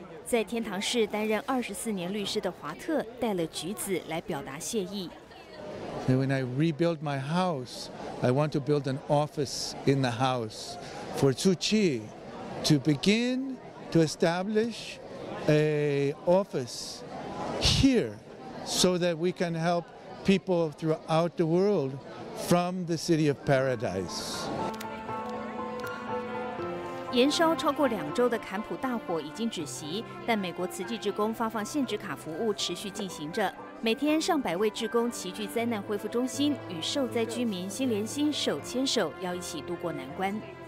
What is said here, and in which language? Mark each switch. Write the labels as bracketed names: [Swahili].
[Chinese] 在天堂市担任24年律师的华特带了橘子来表达谢意。 [English] And when I rebuild my house, I want to build an office in the house for Tzu Chi to begin. To establish a office here so that we can help people throughout the world from the city of paradise. [Chinese] 延烧超过两周的坎普大火已经止息，但美国慈济志工发放限制卡服务持续进行着。每天上百位志工齐聚灾难恢复中心，与受灾居民心连心，手牵手，要一起度过难关。